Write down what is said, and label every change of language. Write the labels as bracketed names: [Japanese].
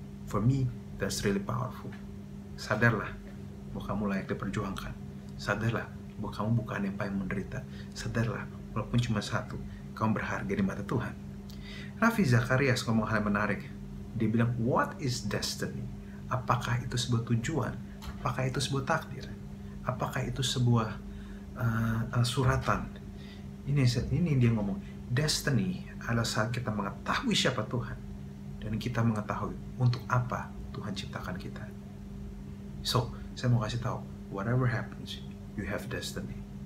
[English] For me, that's really powerful. [Indonesian] Sadarlah bahwa kamu layak diperjuangkan. Sadarlah bahwa kamu bukan yang paling menderita. Sadarlah, walaupun cuma satu, kamu berharga di mata Tuhan. Rafi Zakarias ngomong hal yang menarik. Dia bilang, [English] what is destiny? [Indonesian] Apakah itu sebuah tujuan? Apakah itu sebuah takdir? Apakah itu sebuah suratan? Ini dia ngomong. Destiny adalah saat kita mengetahui siapa Tuhan. Dan kita mengetahui untuk apa Tuhan ciptakan kita. So, saya mau kasih tahu, [English] whatever happens, you have destiny.